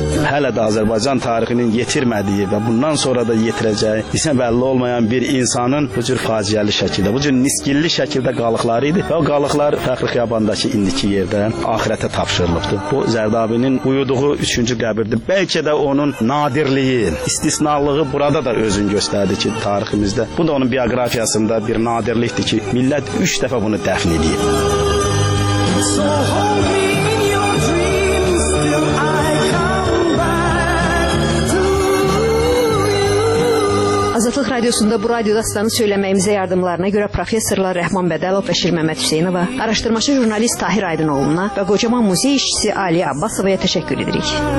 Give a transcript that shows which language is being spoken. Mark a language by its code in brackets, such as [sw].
[az] Hələ də Azərbaycan tarixinin yetirmədiyi və bundan sonra da yetirəcəyi isə bəlli olmayan bir insanın bu cür faciəli şəkildə, bu cür niskilli şəkildə qalıqları idi və o qalıqlar Fəxri Xiyabandakı indiki yerdə axirətə tapşırılıbdı. Bu Zərdabinin uyuduğu üçüncü qəbirdir. Bəlkə də onun nadirliyi, istisnalığı burada da özünü göstərdi ki, tariximizdə bu da onun bioqrafiyasında bir nadirlikdir ki, millət 3 dəfə bunu dəfn edib. [en] So hold me in your dreams till I come back to you. [az] Azadlıq Radiosunda bu radio dastanı söyləməyimizə yardımlarına görə professorlar Rəhman Bədəlov və Şir Məhəmməd Hüseynova, araşdırmaçı jurnalist Tahir Aydınoğluna və qocaman muzey işçisi Ali Abbasovaya təşəkkür edirik.